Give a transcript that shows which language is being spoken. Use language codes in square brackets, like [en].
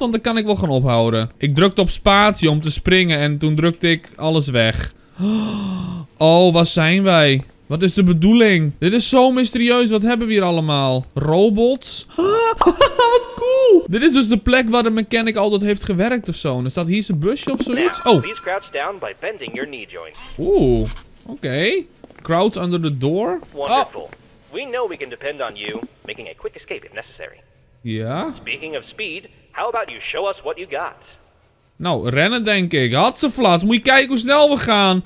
[nl] Want dan kan ik wel gaan ophouden. Ik drukte op spatie om te springen en toen drukte ik alles weg. Oh, waar zijn wij? Wat is de bedoeling? Dit is zo mysterieus. Wat hebben we hier allemaal? Robots? Wat cool! Dit is dus de plek waar de mechanic altijd heeft gewerkt of zo. Dan staat hier zijn busje of zoiets. Oh. [en] Please crouch down by bending your knee joints. [nl] Oeh, oké. [en] Okay. Crouch under the door. Wonderful. Oh. We know we can depend on you, making a quick escape if necessary. Yeah? Speaking of speed, how about you show us what you got? [nl] Nou, rennen denk ik. Hatsenflats, moet je kijken hoe snel we gaan.